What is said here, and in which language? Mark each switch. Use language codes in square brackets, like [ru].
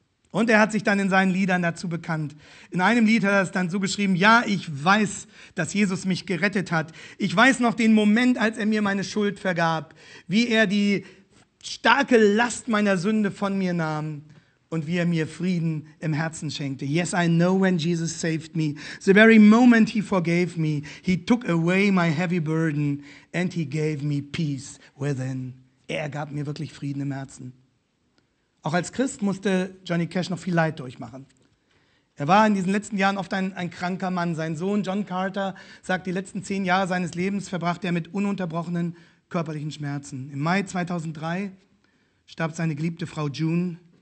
[de] Und er hat sich dann in seinen Liedern dazu bekannt. In einem Lied hat er es dann so geschrieben, ja, ich weiß, dass Jesus mich gerettet hat. Ich weiß noch den Moment, als er mir meine Schuld vergab, wie er die starke Last meiner Sünde von mir nahm und wie er mir Frieden im Herzen schenkte. [en] Yes, I know when Jesus saved me. The very moment he forgave me, he took away my heavy burden and he gave me peace within. [de] Er gab mir wirklich Frieden im Herzen. Auch als Christ musste Johnny Cash noch viel Leid durchmachen. Er war in diesen letzten Jahren oft ein kranker Mann. Sein Sohn John Carter sagt, die letzten 10 Jahre seines Lebens verbrachte er mit ununterbrochenen körperlichen Schmerzen. Im Mai 2003 starb seine geliebte Frau June.